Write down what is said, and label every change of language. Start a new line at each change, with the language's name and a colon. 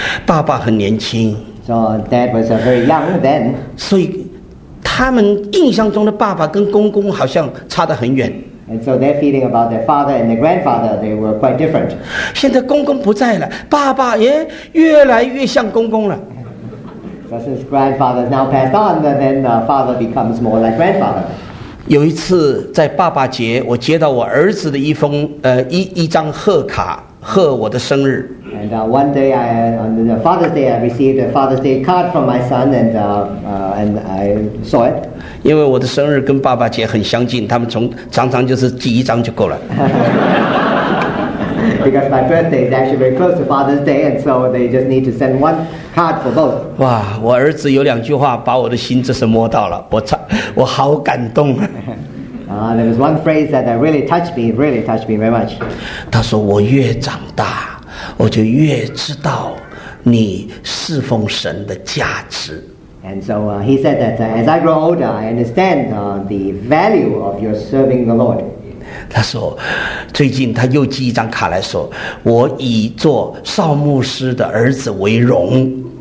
Chinese: 爸爸很年轻。
English: So dad was very young then.
Chinese: 所以他们印象中的爸爸跟公公好像差得很远。
English: And so their feeling about their father and their grandfather, they were quite different.
Chinese: 现在公公不在了，爸爸也越来越像公公了。
English: But since grandfather is now passed on, then father becomes more like grandfather.
Chinese: 有一次在爸爸节，我接到我儿子的一封一张贺卡，贺我的生日。
English: And one day on the Father's Day, I received a Father's Day card from my son, and I saw it.
Chinese: 因为我的生日跟爸爸节很相近，他们常常就是寄一张就够了。
English: Because my birthday is actually very close to Father's Day, and so they just need to send one. Hard for both.
Chinese: 哇，我儿子有两句话把我的心真是摸到了，我好感动啊！
English: There was one phrase that really touched me very much.
Chinese: 他说我越长大，我就越知道你侍奉神的价值。
English: And so he said that as I grow older, I understand the value of your serving the Lord.
Chinese: 他说，最近他又寄一张卡来说，我以做少牧师的儿子为荣。